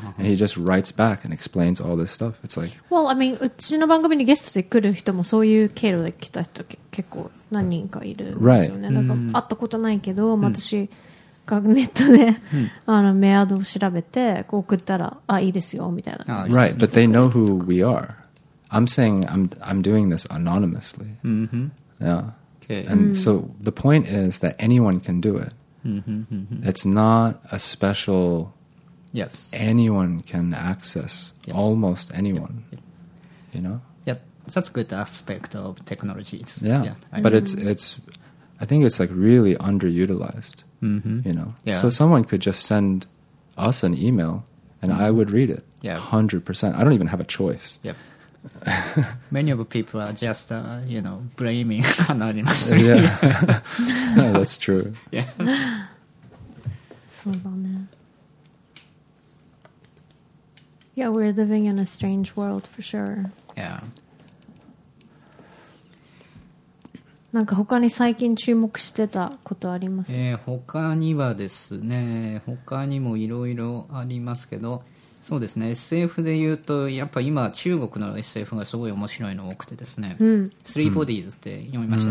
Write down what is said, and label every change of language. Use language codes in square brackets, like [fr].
[en] And he just writes back and explains all this stuff. It's like... Well, I mean, [ja] うちの番組にゲストで来る人もそういう経路で来た人結構何人かいるんですよね。 [en] Right. [ja] なんか会ったことないけど、私がネットで、メアドを調べて、こう送ったら、あ、いいですよ、みたいな。 [en] Right, but they know who we are. I'm saying I'm doing this anonymously. Mm-hmm. Yeah. Okay. And so the point is that anyone can do it. It's not a special. Yes. Anyone can access. Yep. Almost anyone. Yep. You know. Yeah, that's a good aspect of technologies. Yeah. But it's. I think it's like really underutilized. You know. Yeah. So someone could just send us an email, and I would read it. Yeah. 100%. I don't even have a choice. Yep. Many of the people are just, you know, blaming anonymous. Yeah. No, that's true. Yeah. Yeah, we're living in a strange world for sure. Yeah. [ja] なんか他に最近注目してたことありますか？他にはですね、他にもいろいろありますけど、そうですね、 SF で言うとやっぱ今中国の SF がすごい面白いの多くてですね、スリーボディーズって読みました、